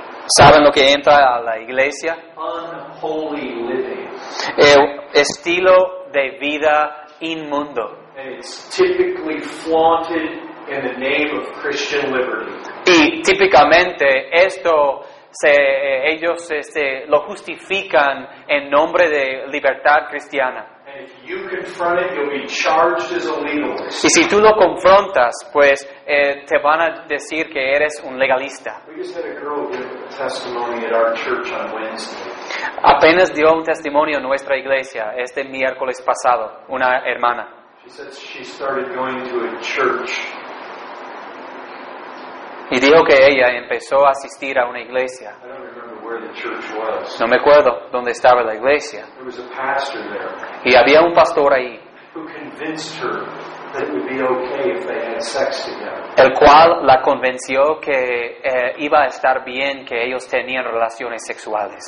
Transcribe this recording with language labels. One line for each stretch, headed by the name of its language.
Spanish: ¿Saben lo que entra a la iglesia?
English: Unholy living.
Spanish: El estilo de vida inmundo.
English: And it's typically flaunted in the name of Christian liberty.
Spanish: Y típicamente esto ellos lo justifican en nombre de libertad cristiana.
English: And if you confront it, you'll be charged as a legalist.
Spanish: Y si tú lo confrontas, pues te van a decir que eres un legalista.
English: We just had a girl give a testimony at our church on Wednesday.
Spanish: Apenas dio un testimonio en nuestra iglesia este miércoles pasado, una hermana.
English: She said she started going to a church.
Spanish: Y dijo que ella empezó a asistir a una iglesia.
English: I don't remember where the church was.
Spanish: No me acuerdo dónde estaba la iglesia.
English: There was a pastor there.
Spanish: Y había un pastor ahí.
English: Who convinced her that it would be okay if they had sex together.
Spanish: El cual la convenció que iba a estar bien que ellos tenían relaciones sexuales.